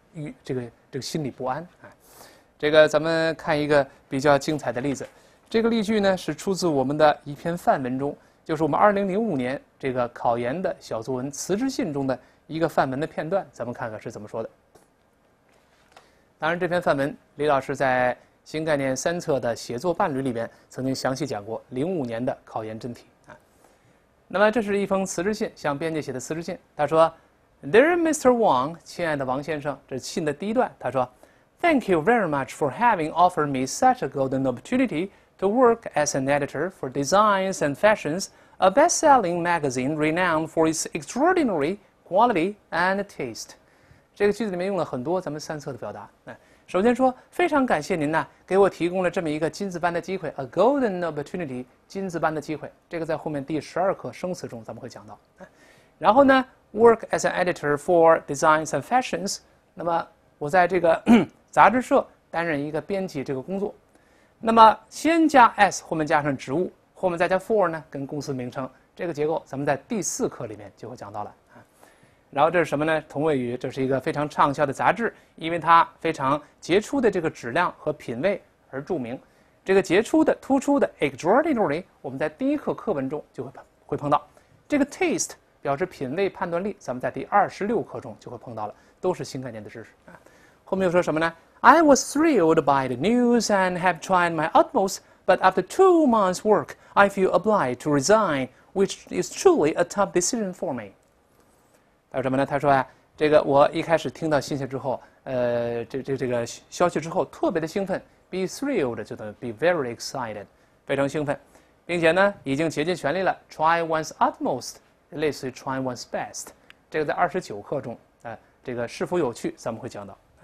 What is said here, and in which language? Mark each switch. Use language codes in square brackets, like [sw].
[zh] 与这个心里不安啊，这个咱们看一个比较精彩的例子，这个例句呢是出自我们的一篇范文中，就是我们2005年这个考研的小作文辞职信中的一个范文的片段，咱们看看是怎么说的。当然，这篇范文李老师在新概念三册的写作伴侣里边曾经详细讲过05年的考研真题啊。那么，这是一封辞职信，向编辑写的辞职信，他说。 [en] Dear Mr. Wang， [zh] 亲爱的王先生，这信的第一段，他说：“ [en] Thank you very much for having offered me such a golden opportunity to work as an editor for Designs and Fashions, a best-selling magazine renowned for its extraordinary quality and taste。” [zh] 这个句子里面用了很多咱们三册的表达。首先说，非常感谢您呢，给我提供了这么一个金子般的机会， [en] a golden opportunity， [zh] 金子般的机会。这个在后面第12课生词中咱们会讲到。然后呢？ [en] Work as an editor for Designs and Fashions。 [zh] 那么我在这个杂志社担任一个编辑这个工作。那么先加 s 后面加上职务，后面再加 for 呢，跟公司名称这个结构，咱们在第4课里面就会讲到了啊。然后这是什么呢？同位语，这是一个非常畅销的杂志，因为它非常杰出的这个质量和品位而著名。这个杰出的、突出的 extraordinary，我们在第1课课文中就会碰到。这个 taste。表示品味判断力，咱们在第26课中就会碰到了，都是新概念的知识啊。后面又说什么呢？ [en] I was thrilled by the news and have tried my utmost, but after 2 months' work, I feel obliged to resign, which is truly a tough decision for me。 [zh] 还有什么呢？他说呀、这个我一开始听到信息之后，这个消息之后，特别的兴奋， [en] be thrilled [zh] 就等于 [en] be very excited， [zh] 非常兴奋，并且呢，已经竭尽全力了， [en] try one's utmost。 [zh] 类似于 [en] try one's best， [zh] 这个在29课中，这个是否有趣，咱们会讲到。